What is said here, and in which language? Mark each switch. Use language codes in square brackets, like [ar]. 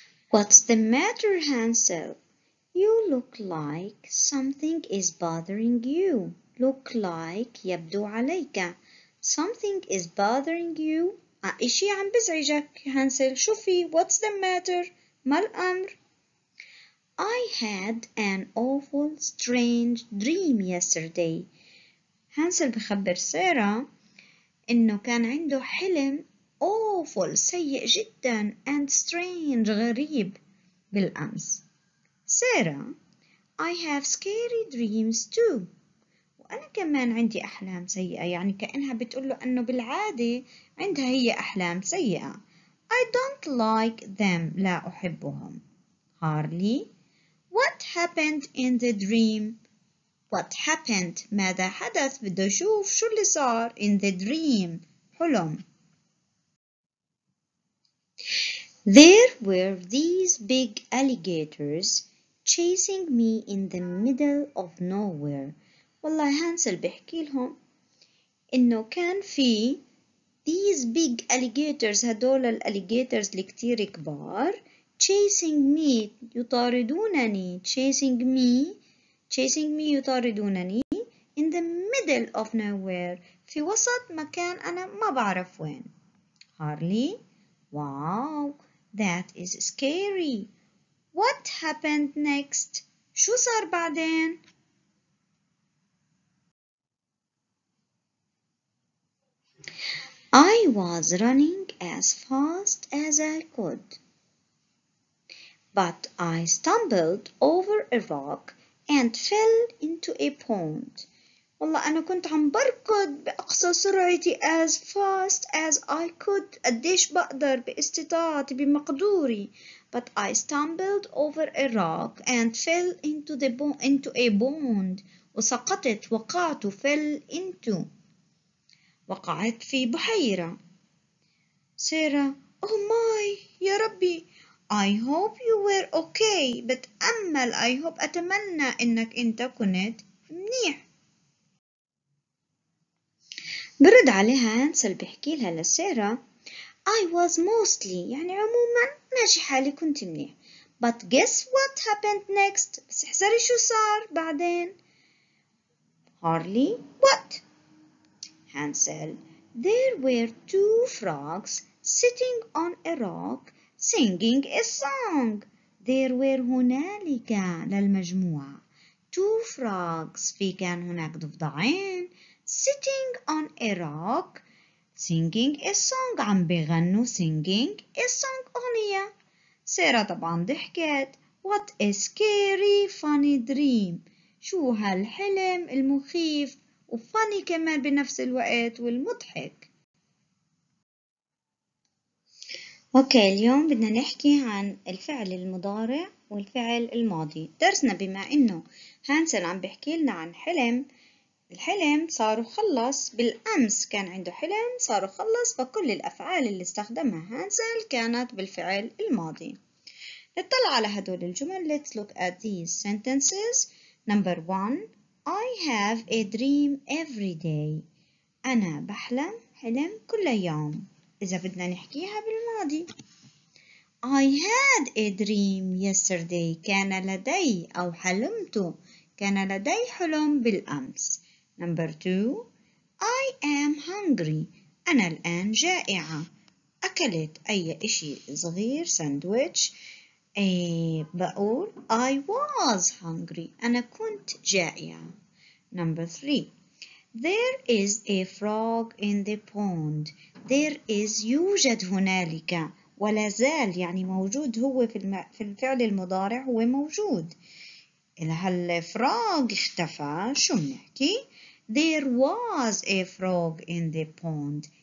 [en] What's the matter, Hansel? You look like something is bothering you. Look like [ar] يبدو عليك. [en] Something is bothering you. [ar] إشي عم بزعجك, Hansel. شوفي, [en] what's the matter? [ar] ما الأمر؟ [en] I had an awful strange dream yesterday. [ar] Hansel بخبر سارة إنه كان عنده حلم [en] awful [ar] سيء جدا [en] and strange [ar] غريب بالأمس. [en] سارة, I have scary dreams too. [ar] وأنا كمان عندي أحلام سيئة, يعني كأنها بتقول له إنه بالعادة عندها هي أحلام سيئة. [en] I don't like them. [ar] لا أحبهم. [en] Harley, what happened in the dream? What happened? [ar] ماذا حدث؟ بدي أشوف شو اللي صار [en] in the dream. [ar] حلم. [en] There were these big alligators chasing me in the middle of nowhere. [ar] والله هانسل بحكي لهم إنه كان في [en] these big alligators, [ar] هدول الالليجيتورز اللي كتير كبار, [en] chasing me, [ar] يطاردونني, [en] chasing me [ar] يطاردونني [en] in the middle of nowhere, [ar] في وسط مكان أنا ما بعرف وين. [en] Harley, wow, that is scary. What happened next? [ar] شو صار بعدين؟ [en] I was running as fast as I could, but I stumbled over a rock and fell into a pond. [ar] والله أنا كنت عم بركض بأقصى سرعتي [en] as fast as I could, [ar] قديش بقدر باستطاعتي بمقدوري. [en] But I stumbled over a rock and fell into a pond. [ar] وسقطت, وقعت, [en] fell into. [ar] وقعت في بحيرة. [en] سارة, oh my, [ar] يا ربي, [en] I hope you were okay. [ar] بتأمل, [en] I hope, [ar] أتمنى إنك أنت كنت منيح. برد عليها هانسل بحكي لها لسارة, [en] I was mostly, [ar] يعني عموما ماشي حالي, كنت منيح. [en] But guess what happened next? [ar] بس احذري شو صار بعدين. Harley, [en] what? Hansel, there were two frogs sitting on a rock singing a song. There were [ar] هنالك للمجموعة [en] two frogs, [ar] في كان هناك ضفدعين [en] sitting on a rock singing a song, [ar] عم بغنوا [en] singing a song, [ar] أغنية. سارة طبعا ضحكت, [en] what a scary funny dream, [ar] شو هالحلم المخيف وفاني كمان بنفس الوقت والمضحك. اوكي, اليوم بدنا نحكي عن الفعل المضارع والفعل الماضي. درسنا بما انه هانسل عم بيحكي لنا عن حلم, الحلم صار وخلص بالامس, كان عنده حلم صار وخلص, فكل الافعال اللي استخدمها هانسل كانت بالفعل الماضي. نطلع على هدول الجمل. [en] Let's look at these sentences. Number one, I have a dream every day. [ar] أنا بحلم حلم كل يوم. إذا بدنا نحكيها بالماضي. [en] I had a dream yesterday. [ar] كان لدي أو حلمت. كان لدي حلم بالأمس. [en] Number two. I am hungry. [ar] أنا الآن جائعة. أكلت أي إشي صغير, sandwich. [en] بقول I was hungry. [ar] أنا كنت جائعة. [en] Number three. There is a frog in the pond. There is, [ar] يوجد هنالك, ولا زال يعني موجود هو في الفعل المضارع، هو موجود. إذا هالفراغ اختفى شو بنحكي؟ [en] There was a frog in the pond.